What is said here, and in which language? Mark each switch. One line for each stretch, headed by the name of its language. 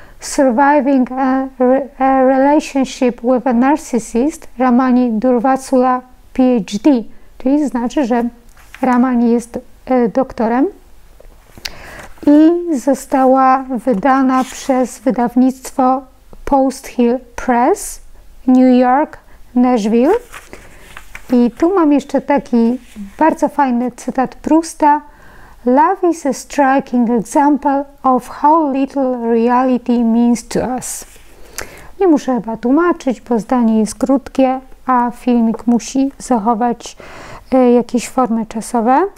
Polish: Surviving a Relationship with a Narcissist, Ramani Durvasula PhD, czyli znaczy, że Ramani jest doktorem i została wydana przez wydawnictwo Post Hill Press, New York, Nashville. I tu mam jeszcze taki bardzo fajny cytat Prusta.
English: Love is a striking example of how little reality means to us.
Polish: Nie muszę chyba tłumaczyć, bo zdanie jest krótkie, a filmik musi zachować jakieś formy czasowe.